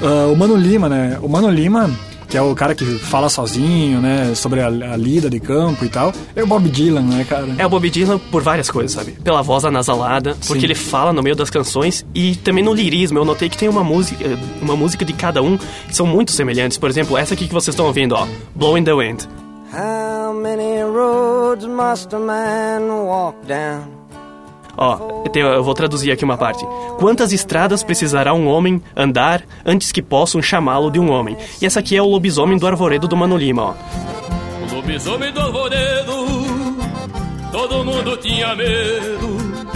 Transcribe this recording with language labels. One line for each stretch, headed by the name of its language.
Portuguese: o Mano Lima, né? O Mano Lima que é o cara que fala sozinho, né, sobre a lida de campo e tal. É o Bob Dylan, né, cara? É o Bob Dylan por várias coisas, sabe? Pela voz anasalada, porque ele fala no meio das canções e também no lirismo. Eu notei que tem uma música de cada um que são muito semelhantes. Por exemplo, essa aqui que vocês estão ouvindo, ó. Blowing the Wind.
English: How many roads must a man walk down?
Portuguese: Ó, eu vou traduzir aqui uma parte. Quantas estradas precisará um homem andar antes que possam chamá-lo de um homem? E essa aqui é o Lobisomem do Arvoredo do Mano Lima, ó. O Lobisomem do Arvoredo, todo mundo tinha medo.